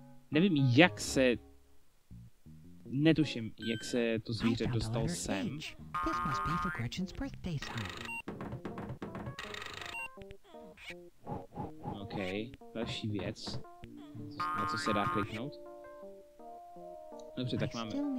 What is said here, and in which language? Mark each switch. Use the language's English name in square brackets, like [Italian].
[Czech] Nevím, jak se... netuším, jak se to zvíře dostal sem. [English] This must be for Gretchen's birthday sign. [Czech] OK, další věc, na co se dá kliknout. Dobře, tak máme.